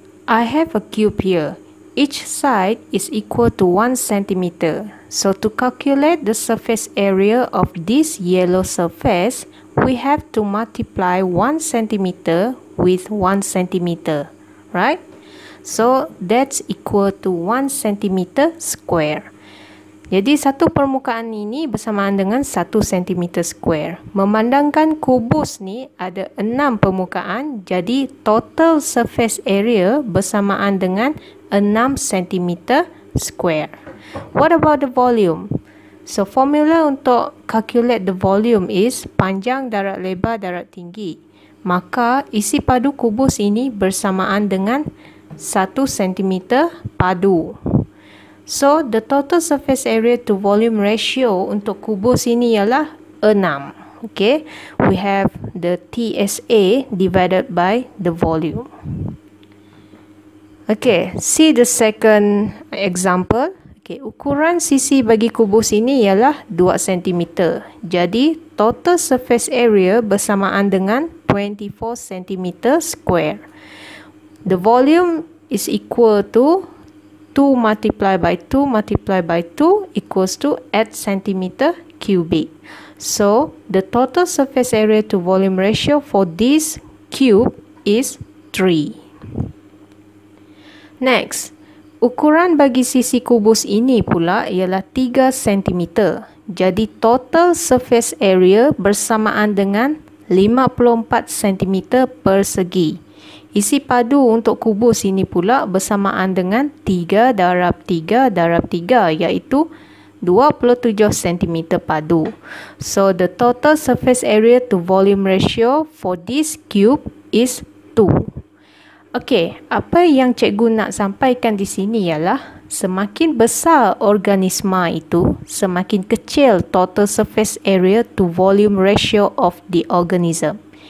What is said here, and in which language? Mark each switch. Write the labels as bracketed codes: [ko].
[en] I have a cube here. Each side is equal to 1 cm. So to calculate the surface area of this yellow surface, we have to multiply 1 cm with 1 cm, right? So that's equal to 1 cm square. [ms] Jadi satu permukaan ini bersamaan dengan 1 cm square. Memandangkan kubus ni ada 6 permukaan, jadi total surface area bersamaan dengan 6 cm square. [en] What about the volume? So formula untuk calculate the volume is [ms] panjang darat lebar darat tinggi. Maka isi padu kubus ini bersamaan dengan 1 cm padu. [en] So the total surface area to volume ratio untuk kubus ini ialah 6. Okay, we have the TSA divided by the volume. Okay, see the second example. [ms] Okay, ukuran sisi bagi kubus ini ialah 2 cm. Jadi total surface area bersamaan dengan 24 cm square. [en] The volume is equal to 2 multiplied by 2 multiplied by 2 equals to 8 cm cubic. So the total surface area to volume ratio for this cube is 3. [ms] Next, ukuran bagi sisi kubus ini pula ialah 3 cm. Jadi total surface area bersamaan dengan 54 cm persegi. Isi padu untuk kubus ini pula bersamaan dengan 3 darab 3 darab 3 iaitu 27 cm padu. [en] So the total surface area to volume ratio for this cube is 2. [ms] Okay, apa yang cikgu nak sampaikan di sini ialah semakin besar organisma itu, semakin kecil [en] total surface area to volume ratio of the organism.